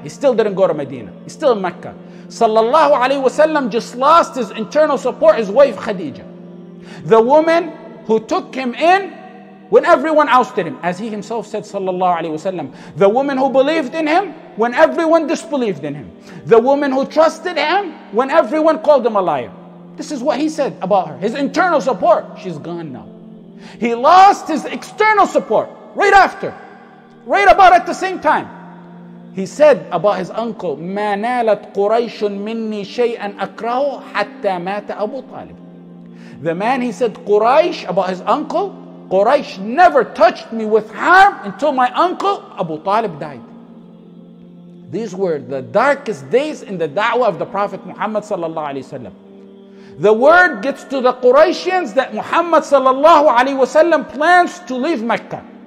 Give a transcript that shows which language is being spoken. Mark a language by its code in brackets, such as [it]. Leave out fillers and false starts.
[en] He still didn't go to Medina. He's still in Mecca. Sallallahu alayhi wasallam just lost his internal support, his wife Khadija, the woman who took him in when everyone ousted him, as he himself said, sallallahu alayhi wasallam, the woman who believed in him when everyone disbelieved in him, the woman who trusted him when everyone called him a liar. This is what he said about her, his internal support. She's gone now. He lost his external support right after, right about at the same time. He said about his uncle, [ar] مَا نَالَتْ قُرَيْشٌ مِنِّي شَيْئًا أَكْرَهُ حَتَّى مَاتَ أَبُو طَالِبٍ. [en] The man, he said, Quraysh, about his uncle, Quraysh never touched me with harm until my uncle Abu Talib died. These were the darkest days in the da'wah of the Prophet Muhammad sallallahu alaihi wasallam. The word gets to the Quraysians that Muhammad sallallahu alaihi wasallam plans to leave Mecca.